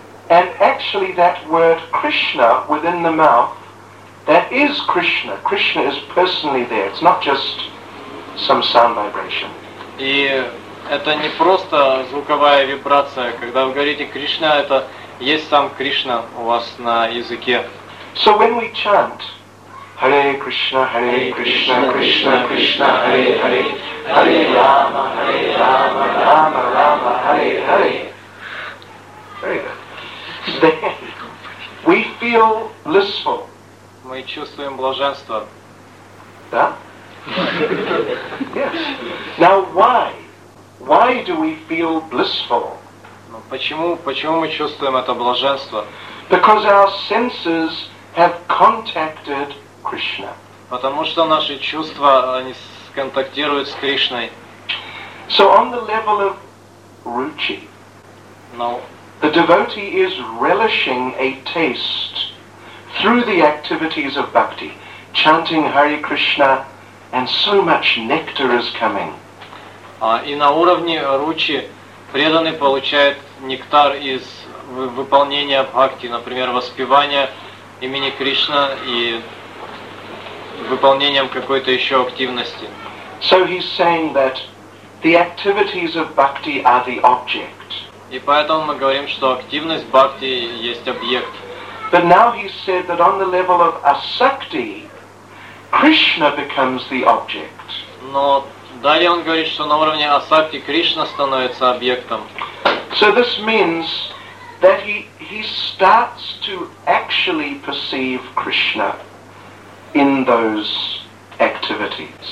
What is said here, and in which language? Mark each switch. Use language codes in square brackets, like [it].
[en] And actually that word Krishna within the mouth, that is Krishna. Krishna is personally there. It's not just some sound vibration. [ru] И это не просто звуковая вибрация. Когда вы говорите Кришна, это есть сам Кришна у вас на языке. [en] So when we chant Hare Krishna, Hare Krishna, Hare Krishna, Krishna, Krishna, Hare Hare, Hare Rama, Hare Rama, Rama Rama, Hare Hare. Very good. Then, we feel blissful. [ru] Мы чувствуем блаженство. [en] Да? Yes. Now, why? Why do we feel blissful? [ru] Ну, почему мы чувствуем это блаженство? [en] Because our senses have contacted Krishna. [ru] Потому что наши чувства, они сконтактируют с Кришной. [en] So on the level of ruchi. No. The devotee is relishing a taste through the activities of bhakti, chanting Hare Krishna, and so much nectar is coming. [ru] И на уровне ручи преданный получает нектар из выполнения бхакти, например, воспевания имени Кришна и выполнением какой-то еще активности. [en] So he's saying that the activities of bhakti are the object. [ru] И поэтому мы говорим, что активность бхакти есть объект. [en] But now he said that on the level of asakti, Krishna becomes the object. [ru] Но далее он говорит, что на уровне асакти Кришна становится объектом. [en] So this means that he starts to actually perceive Krishna in those activities.